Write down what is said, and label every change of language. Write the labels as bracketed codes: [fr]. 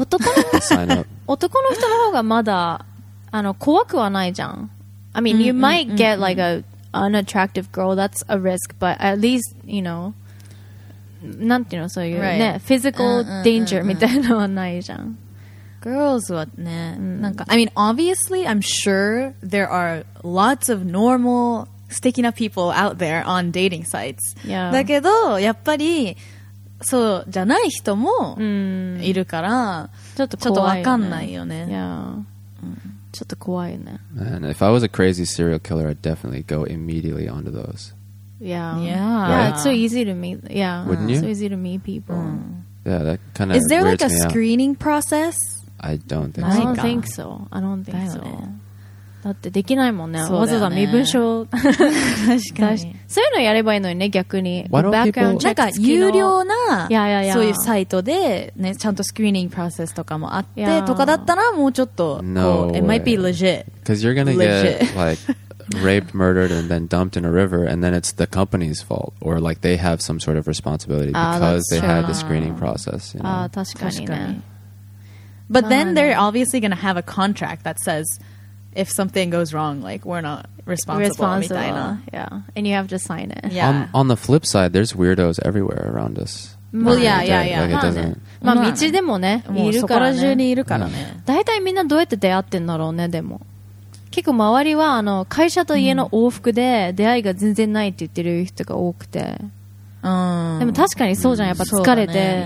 [ja] 男の人の方がまだ、あの、怖くはないじゃん。 [en] I mean, you might get like a,unattractive girl, that's a risk, but at least, you know, [ja] なんていうのそういう、 [en] right. [ja] ね、 [en] physical danger [ja] みたいなのはないじゃん。 [en] Girls [ja] はね、なんか、 [en] I mean, obviously, I'm sure there are lots of normal, sticky enough people out there on dating sites. Yeah. [ja] だけど、やっぱり、そうじゃない人もいるから、ちょっと分かんないよね。 [en] Yeah.、 [ja] うんちょっと怖いね。 [en] Man, if I was a crazy serial killer, I'd definitely go immediately onto those. Yeah. Yeah. Yeah, it's so easy to meet. Yeah. Wouldn't you? It's so easy to meet people. Yeah, that kind of is there weirds like a screening process? I don't think so. I don't think so. [ja] だってできないもんね。わざわざ身分証。確かに。そういうのやればいいのにね、逆に。バックグラウンドチェック。なんか有料な、そういうサイトで、ね、ちゃんとスクリーニングプロセスとかもあって、とかだったら、もうちょっと、 [en] No way. It might be legit. Because you're gonna get, like, raped, murdered, and then dumped in a river, and then it's the company's fault. Or, like, they have some sort of responsibility because they had the screening process. [ja] ああ、確かにね。 [en] But then they're obviously gonna have a contract that says,If something goes wrong, like, we're not responsible. Yeah. And you have to sign it. Yeah. On the flip side, there's weirdos everywhere around us. Well, yeah. Like, it doesn't... [ja] まあ、道でもね、いるからね。そこら中にいるからね。大体みんなどうやって出会ってんだろうね、でも。結構周りは、あの、会社と家の往復で出会いが全然ないって言ってる人が多くて。でも確かにそうじゃん、やっぱ疲れて。